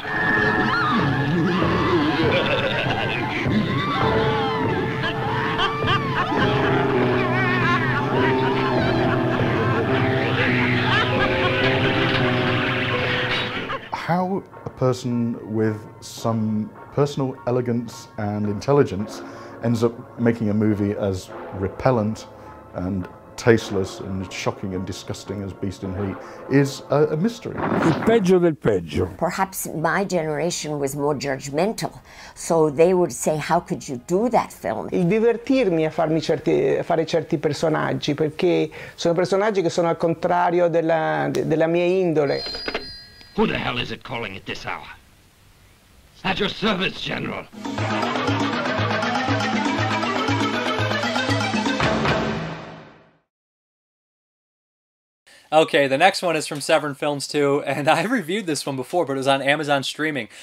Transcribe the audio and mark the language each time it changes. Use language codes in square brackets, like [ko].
[en] How a person with some personal elegance and intelligence ends up making a movie as repellent and tasteless and shocking and disgusting as Beast in Heat is a mystery. [it] Il peggio del peggio. [en] Perhaps my generation was more judgmental, so they would say, how could you do that film? [it] Il divertirmi a farmi certi, a fare certi personaggi, perché sono personaggi che sono al contrario della, della mia indole. [en] Who the hell is it calling at this hour? At your service, General. Okay, the next one is from Severn Films 2, and I reviewed this one before, but it was on Amazon streaming.